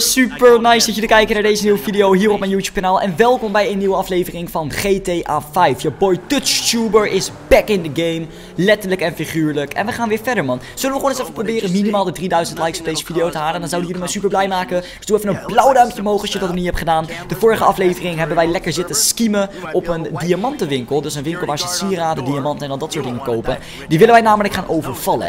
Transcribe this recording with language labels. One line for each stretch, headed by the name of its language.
Dutch: Super nice dat jullie kijken naar deze nieuwe video hier op mijn YouTube kanaal. En welkom bij een nieuwe aflevering van GTA 5.
English: Your boy TouchTuber is back in the game.
Dutch: Letterlijk en figuurlijk. En we gaan weer verder, man. Zullen we gewoon eens even proberen minimaal de 3000 likes op deze video te halen? Dan zouden jullie me super blij maken. Dus doe even een blauw duimpje omhoog als je dat nog niet hebt gedaan. De vorige aflevering hebben wij lekker zitten schiemen op een diamantenwinkel. Dus een winkel waar ze sieraden, diamanten en al dat soort dingen kopen. Die willen wij namelijk gaan overvallen.